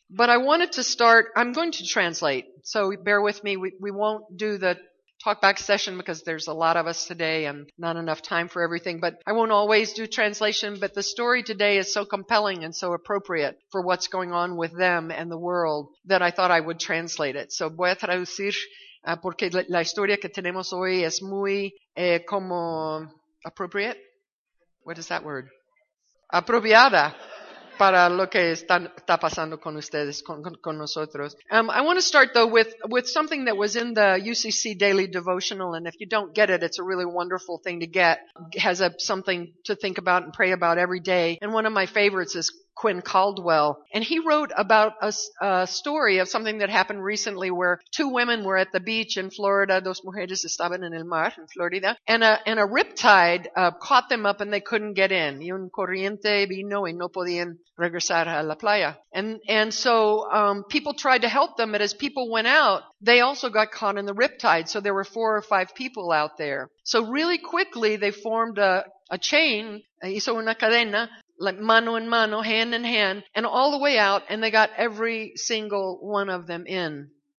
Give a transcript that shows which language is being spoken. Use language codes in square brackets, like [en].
[en] But I wanted to start. I'm going to translate, so bear with me. We won't do the talkback session because there's a lot of us today and not enough time for everything. But I won't always do translation. But the story today is so compelling and so appropriate for what's going on with them and the world that I thought I would translate it. [es] So voy a traducir. Porque la historia que tenemos hoy es muy como [en] appropriate. What is that word? [es] Apropiada para lo que está pasando con ustedes, con nosotros. [en] I want to start though with something that was in the UCC Daily Devotional, and if you don't get it, it's a really wonderful thing to get. It has something to think about and pray about every day. And one of my favorites is Quinn Caldwell, and he wrote about a story of something that happened recently where two women were at the beach in Florida, [es] dos mujeres estaban en el mar en Florida, [en] and a riptide caught them up and they couldn't get in. [es] Y un corriente vino y no podían regresar a la playa. [en] And so people tried to help them, but as people went out, they also got caught in the riptide, so there were four or five people out there. So really quickly, they formed a chain, [es] hizo una cadena, [en] like [es] mano en mano, [en] hand in hand, and all the way out, and they got every single one of them in.